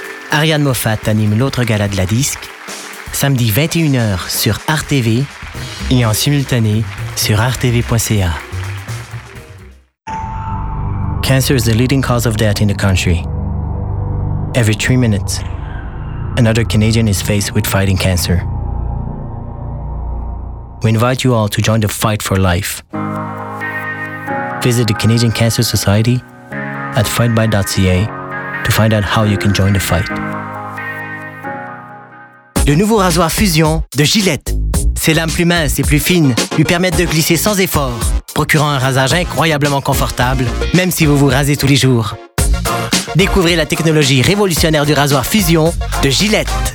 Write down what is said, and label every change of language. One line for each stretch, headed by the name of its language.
French: Ariane Moffat anime l'autre gala de la disque, samedi 21h sur Art TV et en simultané sur arttv.ca.
English: Cancer is the leading cause of death in the country. Every 3 minutes, another Canadian is faced with fighting cancer. We invite you all to join the fight for life. Visit the Canadian Cancer Society at fightby.ca to find out how you can join the fight.
French: Le nouveau rasoir Fusion de Gillette. Ses lames plus minces et plus fines lui permettent de glisser sans effort, procurant un rasage incroyablement confortable, même si vous vous rasez tous les jours. Découvrez la technologie révolutionnaire du rasoir Fusion de Gillette.